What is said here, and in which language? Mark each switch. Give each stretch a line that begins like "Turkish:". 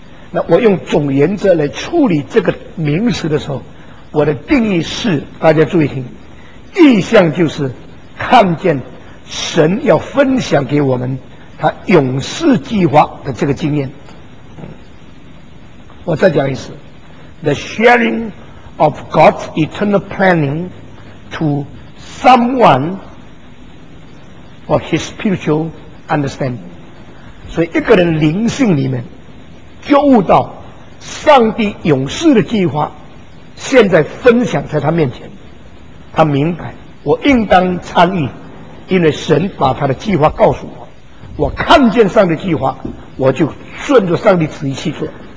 Chinese: 那我用总原则来处理这个名词的时候，我的定义是，大家注意听，意象就是看见神要分享给我们他永世计划的这个经验。我再讲一次，
English: The sharing of God's eternal planning to someone for his spiritual understanding。
Chinese: 所以一个人灵性里面觉悟到上帝永世的计划现在分享在他面前，他明白我应当参与，因为神把他的计划告诉我，我看见上帝的计划，我就顺着上帝旨意去做。